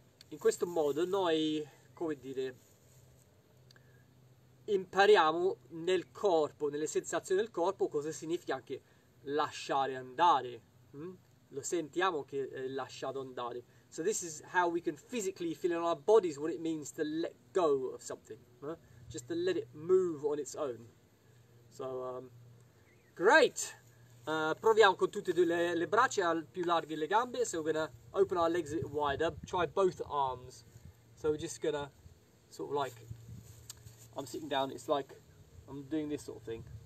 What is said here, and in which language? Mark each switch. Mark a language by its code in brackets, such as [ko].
[it] In questo modo noi, come dire, impariamo nel corpo, nelle sensazioni del corpo, cosa significa anche lasciare andare. Lo sentiamo che è lasciato andare. [en] So this is how we can physically feel in our bodies what it means to let go of something, Just to let it move on its own. So, great! [it] Proviamo con tutte e due le braccia più larghe le gambe. [en] So we're gonna open our legs a bit wider. Try both arms. So we're just gonna sort of like I'm sitting down. It's like I'm doing this sort of thing.